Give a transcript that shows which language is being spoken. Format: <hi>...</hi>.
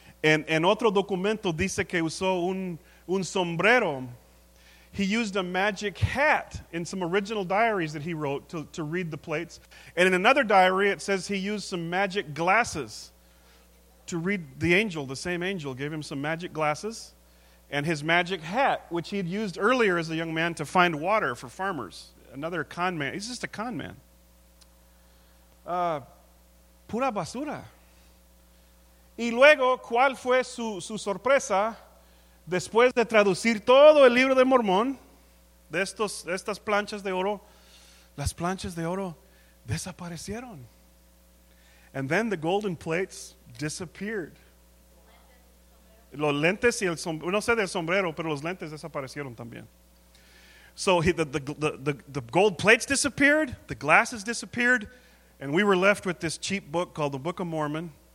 <es>En otro documento dice que usó un sombrero.</es> <en>He used a magic hat in some original diaries that he wrote to read the plates. And in another diary, it says he used some magic glasses to read the angel. The same angel gave him some magic glasses and his magic hat, which he'd used earlier as a young man to find water for farmers. Another con man. He's just a con man.</en> <es>Pura basura. Y luego, ¿cuál fue su sorpresa? Después de traducir todo el libro de Mormón, de estas planchas de oro, las planchas de oro desaparecieron.</es> <en>And then the golden plates disappeared.</en> <es>Los lentes y el sombrero, no sé del sombrero, pero los lentes desaparecieron también.</es> <en>So the gold plates disappeared, the glasses disappeared, and we were left with this cheap book called the Book of Mormon.</en>